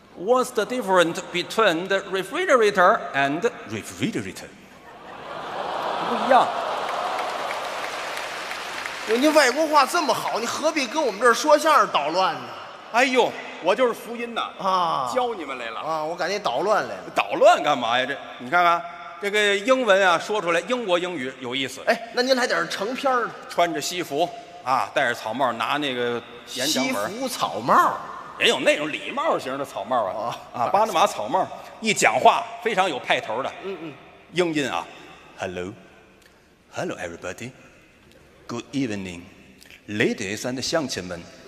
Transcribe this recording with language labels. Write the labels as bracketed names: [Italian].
[English] ，What's the difference between the refrigerator and refrigerator？ [Chinese] 不一样。您外国话这么好，你何必跟我们这儿说相声捣乱呢？哎呦，我就是福音呐！啊，教你们来了啊！我赶紧捣乱来了。捣乱干嘛呀？这你看看，这个英文啊，说出来英国英语有意思。哎，那您来点成片儿，穿着西服啊，戴着草帽，拿那个演讲本。西服草帽，也有那种礼帽型的草帽啊。啊，巴拿马草帽，一讲话非常有派头的。嗯嗯， [English] 英音啊 ，Hello， Hello everybody， Good evening， Ladies and [Chinese] 乡亲们。